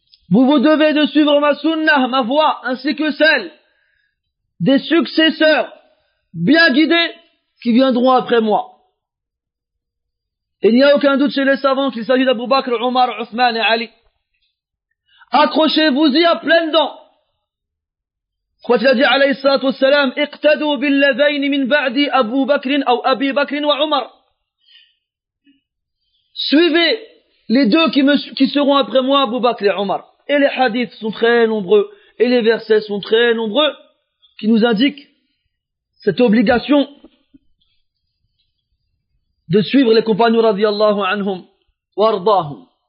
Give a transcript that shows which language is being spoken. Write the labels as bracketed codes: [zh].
[fr] Vous vous devez de suivre ma sunnah, ma voie, ainsi que celle des successeurs bien guidés qui viendront après moi. Il n'y a aucun doute chez les savants qu'il s'agit d'Abu Bakr, Omar, Uthman et Ali. Accrochez-vous-y à pleines dents. Quand il a dit, [ar] alayhi salatu wassalam, اقتدوا باللذين من بعد أبو بكر أو أبي بكر وعمر. [fr] Suivez les deux qui seront après moi, Abu Bakr et Omar. Et les hadiths sont très nombreux, et les versets sont très nombreux, qui nous indiquent cette obligation de suivre les compagnons radiallahu anhum, wardahum.